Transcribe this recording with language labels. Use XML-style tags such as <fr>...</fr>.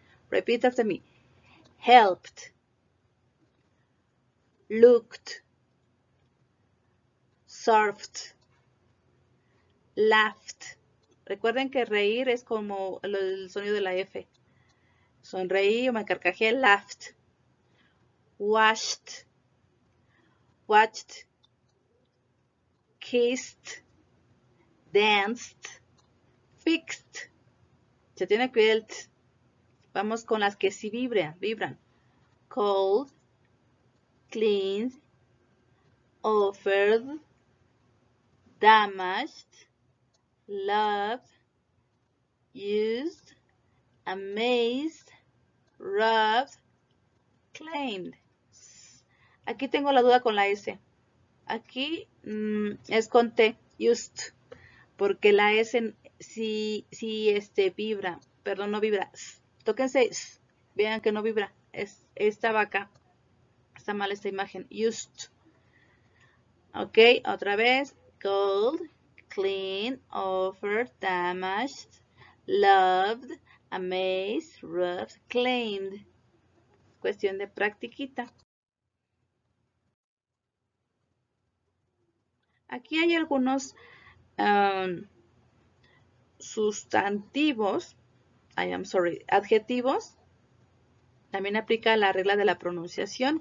<en>Repeat after me. Helped. Looked. Surfed. Laughed.</en> <es>Recuerden que reír es como el sonido de la F. Sonreí o me carcajé. Laughed.</es> <en>Washed, watched, kissed, danced, fixed,</en> <es>Se tiene que ir el t. Vamos con las que sí vibran.</es> <en>Called, cleaned, offered, damaged, loved, used, amazed, robbed, claimed.</en> <es>Aquí tengo la duda con la S. Aquí es con T, used, porque la S sí vibra, perdón, no vibra. Tóquense, vean que no vibra. Estaba acá. Está mal esta imagen. Used. Ok, otra vez.</es> <en>Called, clean, offered, damaged, loved, amazed, robbed, claimed.</en> <es>Cuestión de practiquita. Aquí hay algunos sustantivos.</es> <en>I am sorry,</en> <es>adjetivos. También aplica la regla de la pronunciación.</es>